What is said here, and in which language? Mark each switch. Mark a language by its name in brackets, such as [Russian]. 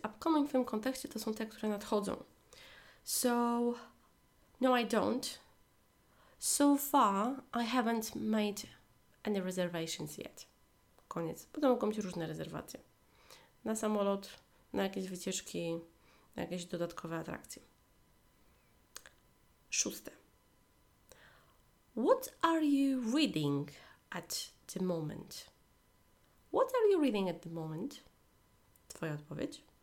[Polish] Upcoming w tym kontekście to są te, które nadchodzą. [English] So, no I don't. So far, I haven't made any reservations yet. [Polish] Koniec. Potem mogą być różne rezerwacje. Na samolot, na jakieś wycieczki, na jakieś dodatkowe atrakcje. Szóste. [English] What are you reading at the moment? What are you reading at the moment? [Polish] Twoja odpowiedź.